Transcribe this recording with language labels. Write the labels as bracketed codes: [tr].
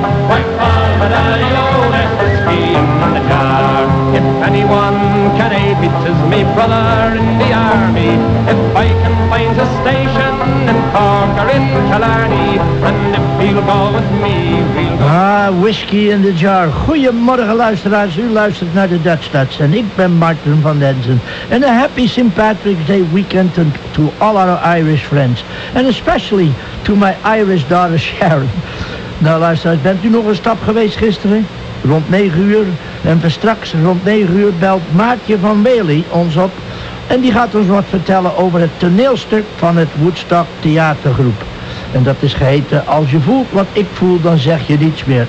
[en] Why fall the daddy-o? There's whiskey in the jar. If anyone can aid me, 'tis me brother in the army. If I can find a station in Cork or in Killarney, and if he'll go with me, we'll go. Ah, whiskey in the jar. [nl] Goedemorgen, luisteraars. U luistert naar de Dutch Nuts. En ik ben Martin van Denzen. [en] En a happy St. Patrick's Day weekend to all our Irish friends. And especially to my Irish daughter Sharon. [nl] Nou, luisteraars, bent u nog een stap geweest gisteren? Rond 9 uur. En straks rond 9 uur belt Maartje van Wely ons op. En die gaat ons wat vertellen over het toneelstuk van het Woodstock Theatergroep. En dat is geheten, als je voelt wat ik voel, dan zeg je niets meer.